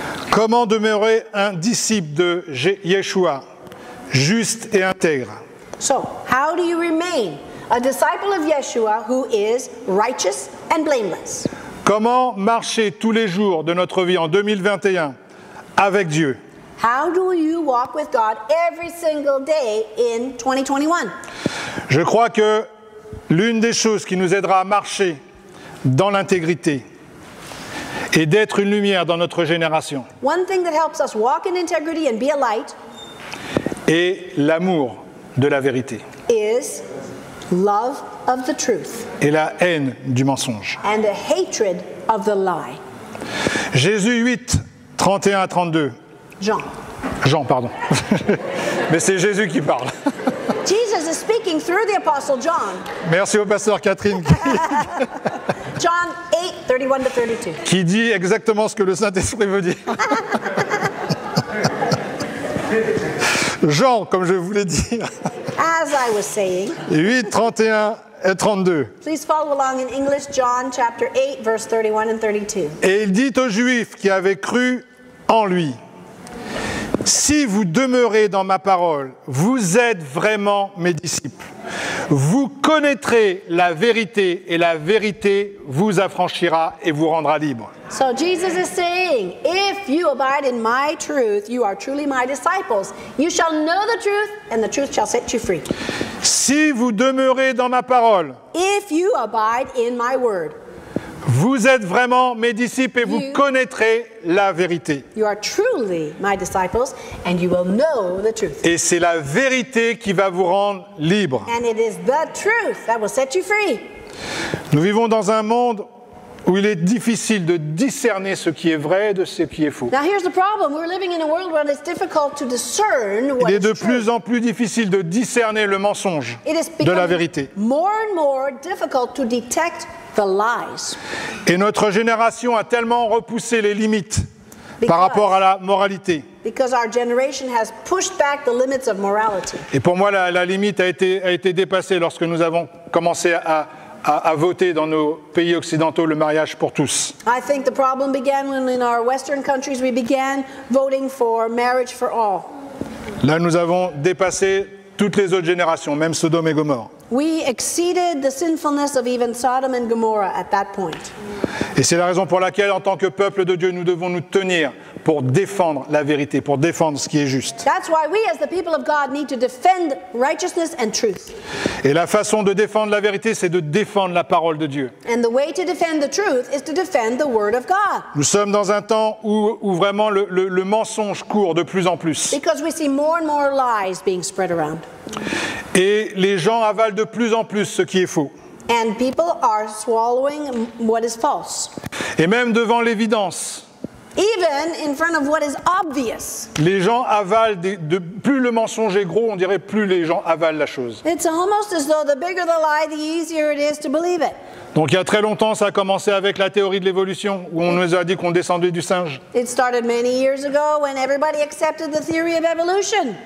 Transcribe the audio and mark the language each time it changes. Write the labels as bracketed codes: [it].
[fr] Comment demeurer un disciple de Yeshua juste et intègre? [en] So, how do you remain a disciple of Yeshua who is righteous and blameless? [fr] Comment marcher tous les jours de notre vie en 2021 avec Dieu? [en] How do you walk with God every single day in 2021? [fr] Je crois que l'une des choses qui nous aidera à marcher dans l'intégrité est d'être une lumière dans notre génération. [en] One thing that helps us walk in integrity and be a light [fr] est l'amour de la vérité. [en] Is love of the truth. [fr] Et la haine du mensonge. [en] And the hatred of the lie. [fr] Jésus 8, 31 à 32. Jean, pardon. Mais c'est Jésus qui parle. [en] Jesus is speaking through the apostle John. [fr] Merci au pasteur Catherine. [en] John 8, 31 to 32. [fr] Qui dit exactement ce que le Saint-Esprit veut dire. Jean, comme je voulais dire. [en] As I was saying. [fr] 8, 31 et 32. [en] Please follow along in English, John chapter 8, verse 31 and 32. [fr] Et il dit aux Juifs qui avaient cru en lui. Si vous demeurez dans ma parole, vous êtes vraiment mes disciples. Vous connaîtrez la vérité et la vérité vous affranchira et vous rendra libre. [en] So Jesus is saying, if you abide in my truth, you are truly my disciples. You shall know the truth and the truth shall set you free. [fr] Si vous demeurez dans ma parole, [en] if you abide in my word, [fr] Vous êtes vraiment mes disciples et vous connaîtrez la vérité. [en] You are truly my disciples and you will know the truth. [fr] Et c'est la vérité qui va vous rendre libre. [en] And it is the truth that will set you free. [fr] Nous vivons dans un monde où il est difficile de discerner ce qui est vrai de ce qui est faux. [en] Now here's the problem. We're living in a world where it's difficult to discern what is true. [fr] Il est de plus en plus difficile de discerner le mensonge de la vérité. [en] It is more and more difficult to detect the lies. [fr] Et notre génération a tellement repoussé les limites par rapport à la moralité. [en] Because our generation has pushed back the limits of morality. [fr] Et pour moi, la limite a été dépassée lorsque nous avons commencé à voter dans nos pays occidentaux le mariage pour tous. [en] I think the problem began when in our Western countries we began voting for marriage for all. [fr] Là, nous avons dépassé toutes les autres générations, même Sodome et Gomorrhe. [en] We exceeded the sinfulness of even Sodom and Gomorrah at that point. [fr] Et c'est la raison pour laquelle, en tant que peuple de Dieu, nous devons nous tenir pour défendre la vérité, pour défendre ce qui est juste. [en] That's why we, as the people of God, need to defend righteousness and truth. [fr] Et la façon de défendre la vérité, c'est de défendre la parole de Dieu. [en] And the way to defend the truth is to defend the word of God. [fr] Nous sommes dans un temps où vraiment le mensonge court de plus en plus. [en] Because we see more and more lies being spread around. [fr] Et les gens avalent de plus en plus ce qui est faux. [en] And people are swallowing what is false. [fr] Et même devant l'évidence. [en] Even in front of what is obvious. [fr] Les gens avalent plus le mensonge est gros, on dirait plus les gens avalent la chose. [en] It's almost as though the bigger the lie, the easier it is to believe it. [fr] Donc il y a très longtemps, ça a commencé avec la théorie de l'évolution, où on nous a dit qu'on descendait du singe. [en] It started many years ago when everybody accepted the theory of evolution.